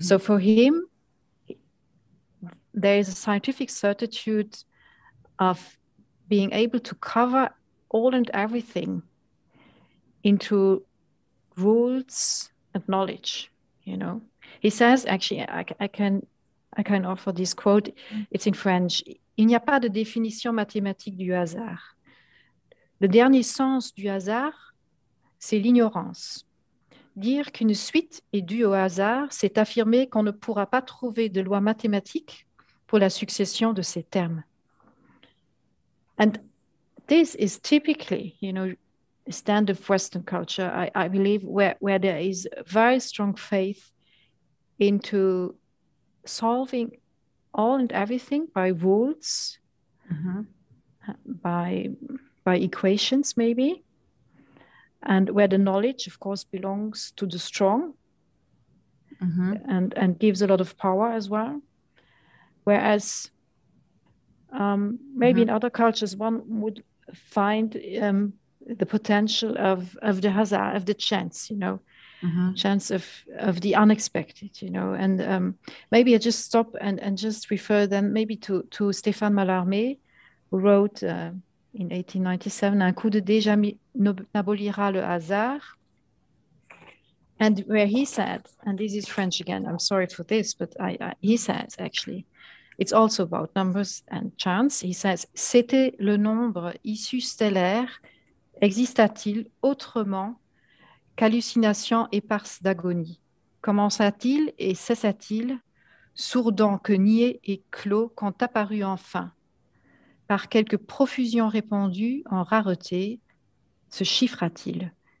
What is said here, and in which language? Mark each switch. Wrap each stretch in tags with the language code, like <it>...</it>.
<en>So for him, there is a scientific certitude of being able to cover all and everything into rules and knowledge, you know. He says, actually, I can offer this quote. It's in French.</en> <fr>Il n'y a pas de définition mathématique du hasard. Le dernier sens du hasard, c'est l'ignorance. Dire qu'une suite est due au hasard, c'est affirmer qu'on ne pourra pas trouver de loi mathématique pour la succession de ces termes.</fr> <en>And this is typically, you know, standard Western culture, I believe, where there is very strong faith into solving all and everything by rules, mm-hmm. by equations maybe, and where the knowledge, of course, belongs to the strong, mm-hmm. and gives a lot of power as well. Whereas maybe mm-hmm. in other cultures, one would find the potential of the hazard, of the chance, you know, mm-hmm. chance of the unexpected, you know. And maybe I just stop and just refer then maybe to Stéphane Mallarmé, who wrote in 1897,</en> <fr>Un coup de dé n'abolira le hasard.</fr> <en>And where he said, and this is French again, I'm sorry for this, but he says actually, it's also about numbers and chance.</en> <fr>He says, c'était le nombre issu stellaire, exista-t-il autrement qu'hallucination éparse d'agonie? Commença-t-il et cessa-t-il, sourdant que nié et clos, quand apparut enfin, par quelque profusion répandue en rareté, se chiffra-t-il?</fr>